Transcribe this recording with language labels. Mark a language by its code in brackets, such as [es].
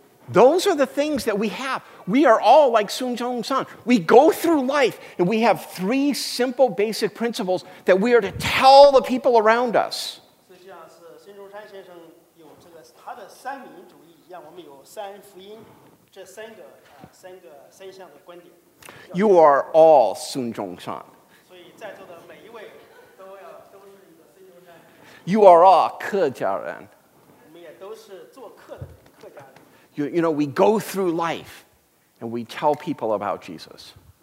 [en] Those are the things that we have. We are all like Sun Zhongshan. We go through life, and we have three simple basic principles that we are to tell the people around us. [zh] 就像是孙中山先生他的三民主义一样，我们有三福音，这三个三项的观点。 [en] You are all 孙中山。 [zh] 所以在座的每一位都是你的孙中山。 [en] You are all 客家人。 [zh] 我们也都是做客的客家人。 [en] You know, we go through life and we tell people about Jesus.